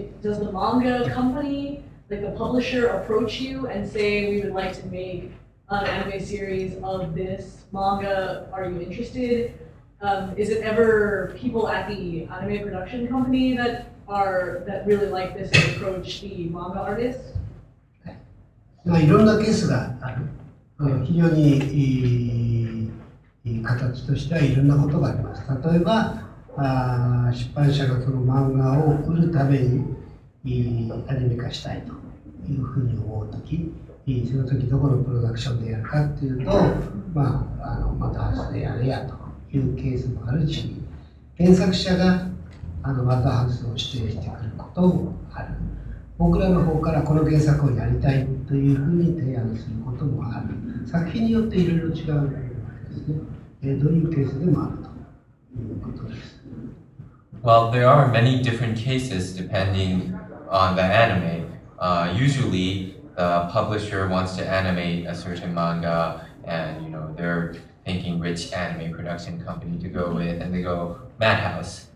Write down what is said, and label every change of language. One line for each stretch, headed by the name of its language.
English: Does the manga company, like the publisher, approach you and say, we would like to make an anime series of this manga, are you interested? Is it ever people at the anime production company that really like this and approach the manga artist?
Japanese: まあ、いろんなケースがある。うん、非常にいい形としてはいろんなことがあります。例えば、出版社がその漫画を売るためにアニメ化したいというふうに思うとき、そのときどこのプロダクションでやるかっていうと、まあ、またハウスでやるやというケースもあるし、原作者がまたハウスを指定してくることもある。僕らの方からこの原作をやりたいというふうに提案することもある。作品によっていろいろ違うですね。どういうケースでもあるということです。
English: Well, there are many different cases depending on the anime. Usually, the publisher wants to animate a certain manga, and you know they're thinking which anime production company to go with, and they go Madhouse.